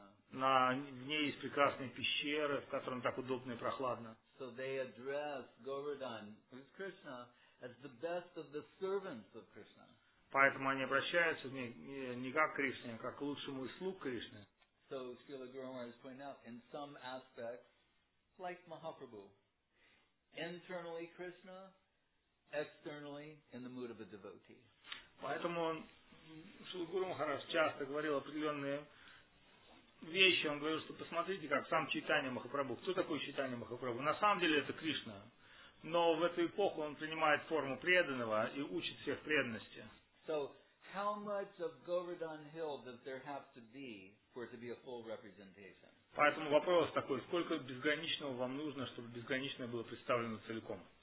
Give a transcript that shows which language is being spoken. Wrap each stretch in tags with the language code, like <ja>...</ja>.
<ru>На, в ней есть прекрасные пещеры, в которых так удобно и прохладно.</ru> <en>So they address Govardhan, who's Krishna, as the best of the servants of Krishna.</en> <ru>Поэтому они обращаются не как к Кришне, а как к лучшему из слуг Кришны.</ru> <en>So Srila Guru Maharaj is pointing out, in some aspects, like Mahaprabhu, internally Krishna, externally in the mood of a devotee.</en> <ru>Поэтому Шрила Гуру Махарадж часто говорил определенные вещи. Он говорил, что посмотрите, как сам Чайтанья Махапрабху. Кто такой Чайтанья Махапрабху? На самом деле это Кришна. Но в эту эпоху он принимает форму преданного и учит всех преданности.</ru> <en>So, how much of Govardhan Hill does there have to be for it to be a full representation?</en> <ru>Поэтому вопрос такой, сколько безграничного вам нужно, чтобы безграничное было представлено целиком?</ru>